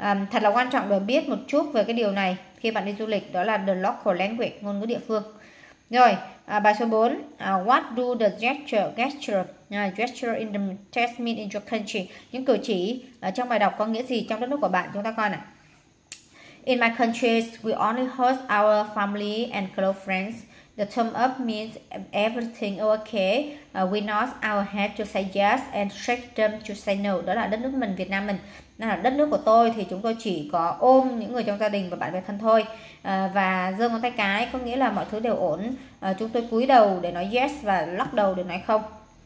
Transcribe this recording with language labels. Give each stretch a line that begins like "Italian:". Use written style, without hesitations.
Vietnamese: Thật là quan trọng để biết một chút về cái điều này khi bạn đi du lịch, đó là
English: the local language,
Vietnamese: ngôn ngữ địa phương. Rồi, bài số 4,
English: what do the gesture in the test mean in your country?
Vietnamese: Những cử chỉ trong bài đọc có nghĩa gì trong đất nước của bạn, chúng ta coi nào.
English: In my country, we only host our family and close friends. The thumb up means everything okay. We nod our head to say yes and shake them to say no.
Vietnamese: Đó là đất nước mình, Việt Nam mình. Đó là đất nước của tôi thì chúng tôi chỉ có ôm những người trong gia đình và bạn bè thân thôi. Và giơ ngón tay cái có nghĩa là mọi thứ đều ổn. Chúng tôi cúi đầu để nói yes và lắc đầu để nói không.